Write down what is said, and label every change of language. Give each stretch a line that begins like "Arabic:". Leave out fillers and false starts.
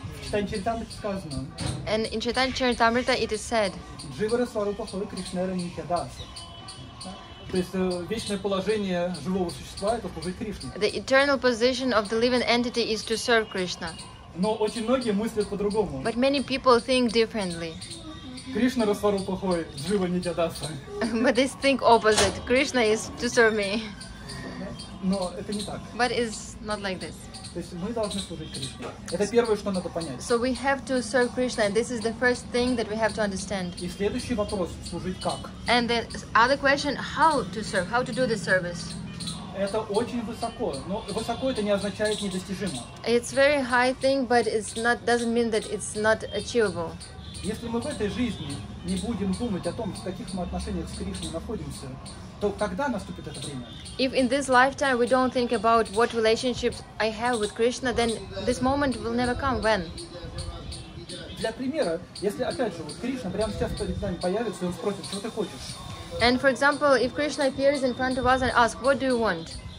Russian: Чайтанья-чаритамрита сказано.
English: And in Чайтанья-чаритамрита it is said.
Sanskrit: Дживара сварупа хави Кришнера нитьядаса.
Russian: То есть вечное положение живого существа это служить Кришне.
English: The eternal position of the living entity is to serve Krishna.
Russian: Но очень многие мыслят по-другому.
English: But many people think differently.
Russian: Кришна расвару плохой, живо не тядаса.
English: But they think opposite. Krishna is to serve me.
Russian: Но это не так.
English: But it's not like this.
Russian: То есть мы должны служить Кришне. Это первое, что надо понять.
English: So we have to serve Krishna, and this is the first thing that we have to understand.
Russian: И следующий вопрос – служить как?
English: And the other question – how to serve, how to do the service?
Russian: Это очень высоко, но высоко это не означает недостижимо.
English: It's very high thing, but it's not doesn't mean that it's not achievable.
Russian: Если мы в этой жизни не будем думать о том, в каких мы отношениях с Кришной находимся, то когда наступит это время?
English: If in this lifetime we don't think about what relationships I have with Krishna, then this moment will never come. When?
Russian: Для примера, если опять же вот Кришна прямо сейчас перед нами появится, и он спросит, что ты хочешь?
English: And for example, if Krishna appears in front of us and asks, what do you want?